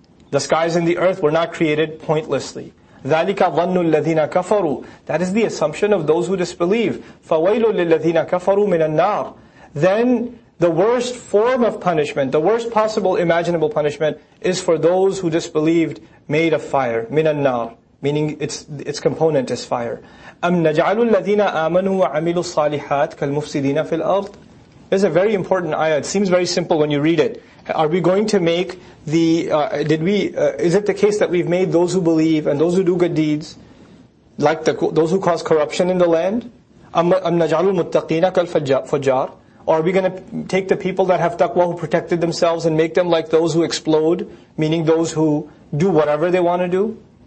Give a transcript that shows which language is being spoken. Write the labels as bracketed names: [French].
[English] The skies and the earth were not created pointlessly. [Arabic] ذَلِكَ ظَنُّ الَّذِينَ كَفَرُوا [English] That is the assumption of those who disbelieve. [Arabic] فَوَيْلُ لِلَّذِينَ كَفَرُوا مِنَ النَّارِ [English] Then the worst form of punishment, the worst possible imaginable punishment is for those who disbelieved made of fire. [Arabic] مِنَ النَّارِ [English] Meaning its component is fire. [Arabic] أَمْ نَجْعَلُ الَّذِينَ آمَنُوا وَعَمِلُوا الصَّالِحَاتِ كَالْمُفْسِدِينَ فِي الْأَرْضِ [English] It's a very important ayah. It seems very simple when you read it. Are we going to make is it the case that we've made those who believe and those who do good deeds like those who cause corruption in the land? [Arabic] أَمْ نَجْعَلُ الْمُتَّقِينَ كَالْفُجَّارِ [English] Or are we going to take the people that have taqwa who protected themselves and make them like those who explode, meaning those who do whatever they want to do?